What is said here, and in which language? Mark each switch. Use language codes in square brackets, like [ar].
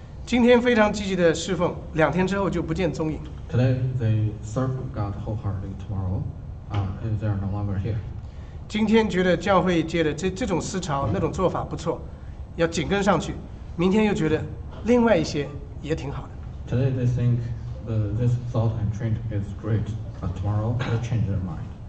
[zh] 今天非常积极的侍奉，两天之后就不见踪影。 [en] Today they serve God wholeheartedly. Tomorrow, they are no longer here. [zh] 今天觉得教会界的这种思潮、那种做法不错，要紧跟上去。明天又觉得另外一些也挺好的。 [en] Today they think this thought and trend is great, but tomorrow they change their mind.